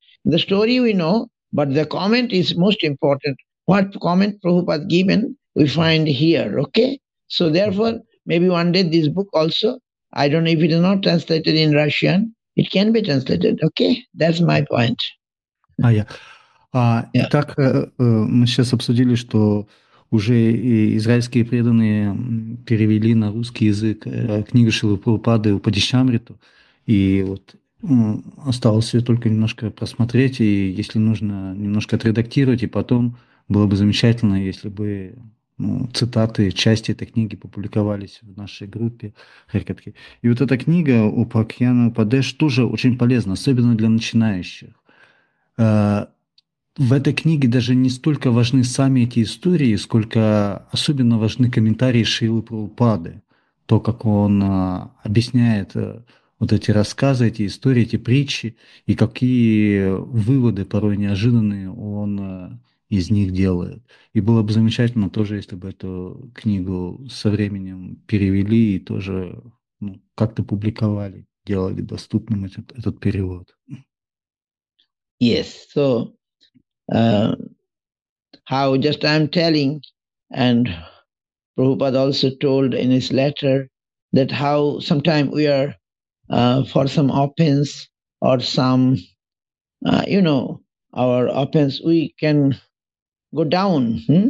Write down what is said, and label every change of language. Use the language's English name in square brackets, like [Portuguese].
[English] The story we know, but the comment is most important. What comment Prabhupada given, we find here, okay? So therefore, maybe one day this book also, I don't know if it is not translated in Russian, it can be translated, okay? That's my point. [Russian] Итак, мы сейчас обсудили, что уже и израильские преданные перевели на русский язык книгу Шрилы Прабхупады «Упадишамриту». И вот осталось ее только немножко просмотреть, и если нужно, немножко отредактировать. И потом было бы замечательно, если бы цитаты, части этой книги публиковались в нашей группе «Харикатхи». И вот эта книга «Упакьяна Упадеш» тоже очень полезна, особенно для начинающих. В этой книге даже не столько важны сами эти истории, сколько особенно важны комментарии Шрилы Прабхупады, то, как он объясняет вот эти рассказы, эти истории, эти притчи, и какие выводы, порой неожиданные, он из них делает. И было бы замечательно тоже, если бы эту книгу со временем перевели и тоже ну, как-то публиковали, делали доступным этот перевод. [English] Yes, so how just I'm telling, and Prabhupada also told in his letter that how sometimes we are for some offense or some, you know, our offense, we can go down.